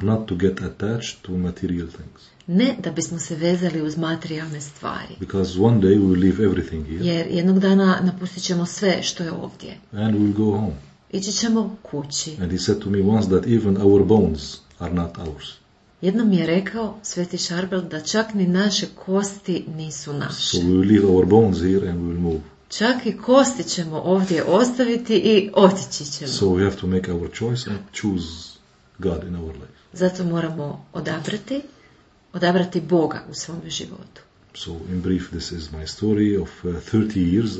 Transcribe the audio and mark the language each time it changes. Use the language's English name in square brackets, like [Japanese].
[English] Not to get attached to material things. [Croatian] Ne da bismo se vezali uz materijalne stvari. [English] Because one day we will leave everything here. [Croatian] Jer jednog dana napustit ćemo sve što je ovdje. [English] And we'll go home. [Croatian] Ići ćemo kući. [English] And he said to me once that even our bones are not ours. [Croatian] Jednom mi je rekao Sveti Šarbel da čak ni naše kosti nisu naše. [English] So we will leave our bones here and we will move. [Croatian] Čak i kosti ćemo ovdje ostaviti i otići ćemo. [English] So we have to make our choice and choose God in our life. [Croatian] Zato moramo odabrati Boga u svom životu. [English] So in brief, this is my story of 30 years.